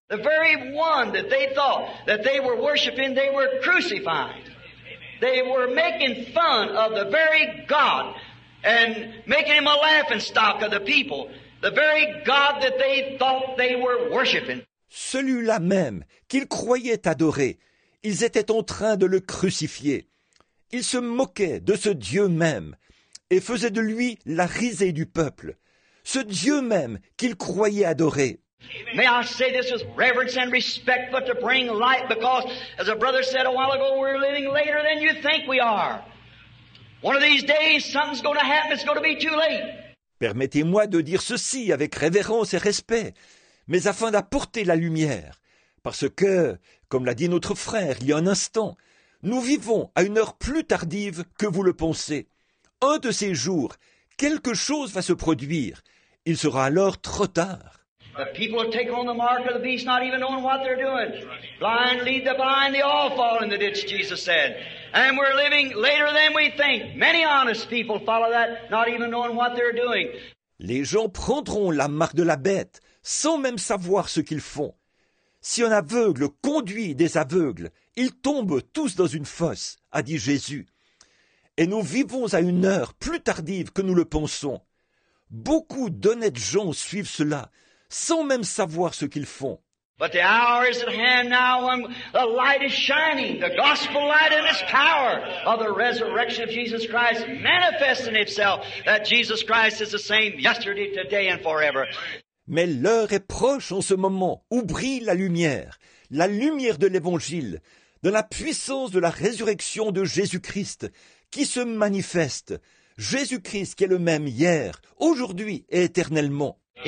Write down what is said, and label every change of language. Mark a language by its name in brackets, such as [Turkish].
[English] The very one that they thought that they were worshiping, they were crucified. They were making fun of the very God and making him a laughing stock of the people. The very God that they thought they were worshiping. [French] Celui-là même qu'ils croyaient adorer, ils étaient en train de le crucifier. Ils se moquaient de ce Dieu même et faisaient de lui la risée du peuple. Ce Dieu même qu'il croyait adorer. [English] May I say this with reverence and respect, but to bring light, because as a brother said a while ago, we're living later than you think we are. One of these days, something's going to happen. It's going to be too late. [French] Permettez-moi de dire ceci avec révérence et respect, mais afin d'apporter la lumière, parce que, comme l'a dit notre frère il y a un instant, nous vivons à une heure plus tardive que vous le pensez. Un de ces jours, quelque chose va se produire. Il sera alors trop tard. [English] The people will take on the mark of the beast, not even knowing what they're doing. Blind lead the blind, they all fall in the ditch, Jesus said. And we're living later than we think. Many honest people follow that, not even knowing what they're doing. [French] Les gens prendront la marque de la bête sans même savoir ce qu'ils font. Si un aveugle conduit des aveugles, ils tombent tous dans une fosse, a dit Jésus. Et nous vivons à une heure plus tardive que nous le pensons. Beaucoup d'honnêtes gens suivent cela, sans même savoir ce qu'ils font. [English] But the hour is at hand now when the light is shining, the gospel light and its power of the resurrection of Jesus Christ manifesting itself, that Jesus Christ is the same yesterday, today and forever. [French] Mais l'heure est proche en ce moment où brille la lumière de l'Évangile, de la puissance de la résurrection de Jésus-Christ, qui se manifeste, Jésus-Christ qui est le même hier, aujourd'hui et éternellement.